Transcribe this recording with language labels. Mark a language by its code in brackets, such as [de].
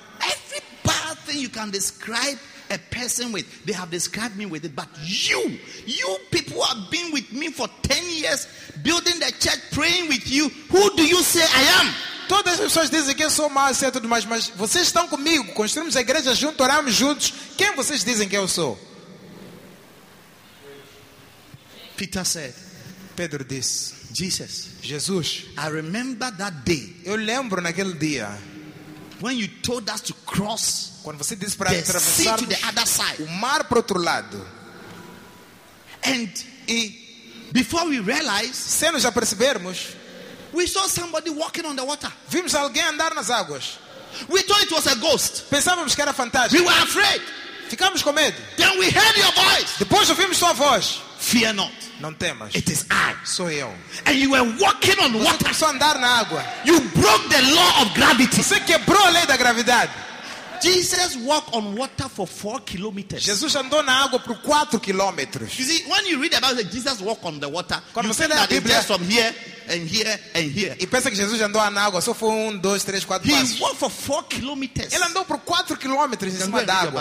[en] Every bad thing you can describe a person with, they have described me with it. But you people have been with me for 10 years, building the church, praying with you. Who do you say I am? [pt] Todas as pessoas dizem que eu sou mal, assim, tudo mais, mas vocês estão comigo, construímos a igreja juntos, oramos juntos. Quem vocês dizem que eu sou? [en] Peter said, [pt] Pedro disse, [en] Jesus, [pt] Jesus, [en] I remember that day. [pt] Eu lembro naquele dia. [en] When you told us to cross, [pt] quando você disse para atravessar o mar para outro lado. [en] And before we realized, [pt] sem nos apercebermos, [en] we saw somebody walking on the water. [pt] Vimos alguém andar nas águas. [en] We thought it was a ghost. [pt] Pensávamos que era fantasma. [en] We were afraid. [pt] Ficamos com medo. [en] Then we heard your voice. [pt] Depois ouvimos sua voz. [en] Fear not. [pt] Não temas. [en] It is I. [pt] Sou eu. [en] And you were walking on [pt] você Você começou a andar na água. [en] You broke the law of gravity. [pt] Você quebrou a lei da gravidade. [en] Jesus walked on water for 4 kilometers. [pt] Jesus andou na água por 4 quilômetros. [en] You see, when you read about it, Jesus walked on the water. [pt] Quando [en] you [pt] você lê a Bíblia, [en] just from here and here and here. [pt] E pensa que Jesus andou na água só foi 1, 2, 3, 4 [en] he [pt] passos. [en] He walked for 4 kilometers. [pt] Ele andou por 4 quilômetros em cima da água.